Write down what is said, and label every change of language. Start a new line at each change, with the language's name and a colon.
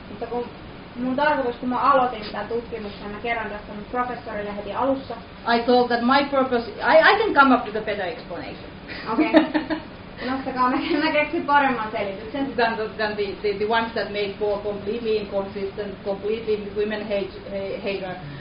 Finnish: Mutta kun mun tarkoitus, kun mä aloitin tämän tutkimuksen, mä kerron tästä mun professorille heti alussa.
English: I thought that my purpose, I can come up with a better explanation. Okay.
Finnish: Nostakaa, mä keksin paremman selityksen.
English: Than the ones that made for completely inconsistent, completely women hater.